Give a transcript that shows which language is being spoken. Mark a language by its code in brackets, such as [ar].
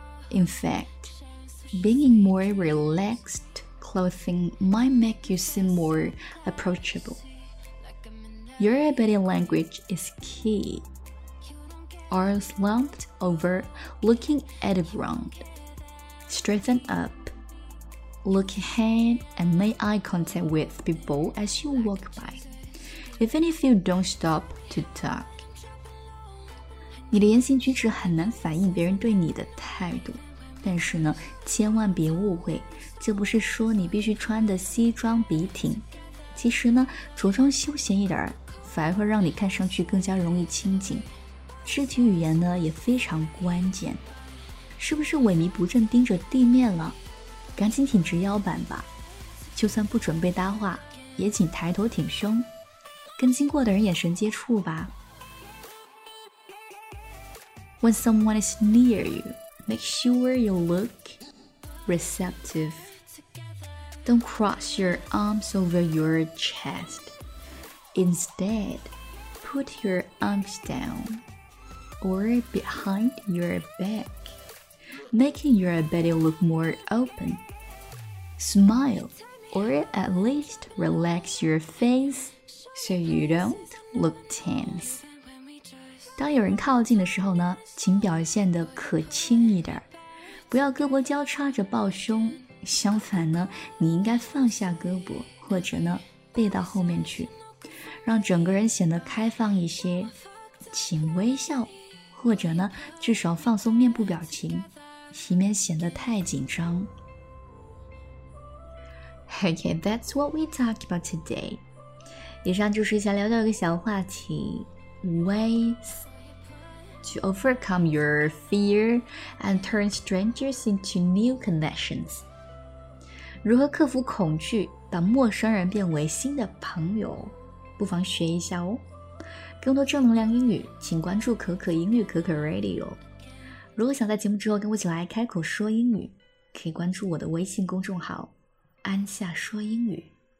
[en] In fact, being in more relaxed clothing might make you seem more approachableYour body language is key. Or slumped over, looking at the ground. Straighten up. Look ahead and make eye contact with people as you walk by. Even if you don't stop to talk. [zh] 你的言行举止很难反映别人对你的态度。但是呢，千万别误会，这不是说你必须穿的西装笔挺。其实呢，着装休闲一点反而会让你看上去更加容易亲近。肢体语言呢也非常关键，是不是萎靡不振盯着地面了？赶紧挺直腰板吧，就算不准备搭话也请抬头挺胸，跟经过的人眼神接触吧。 [en] When someone is near you, make sure you look receptive. Don't cross your arms over your chestInstead, put your arms down or behind your back, making your body look more open. Smile or at least relax your face so you don't look tense. [zh] 当有人靠近的时候呢，请表现得可亲一点，不要胳膊交叉着抱胸。相反呢，你应该放下胳膊，或者呢背到后面去，让整个人显得开放一些，请微笑，或者呢，至少放松面部表情，以免显得太紧张。 [en] Okay, that's what we talk about today. [zh] 以上就是想聊到一个小话题 [en] ，ways to overcome your fear and turn strangers into new connections. [zh] 如何克服恐惧，把陌生人变为新的朋友？不妨学一下哦。更多正能量英语请关注可可英语可可 Radio。如果想在节目之后跟我一起来开口说英语，可以关注我的微信公众号安夏说英语。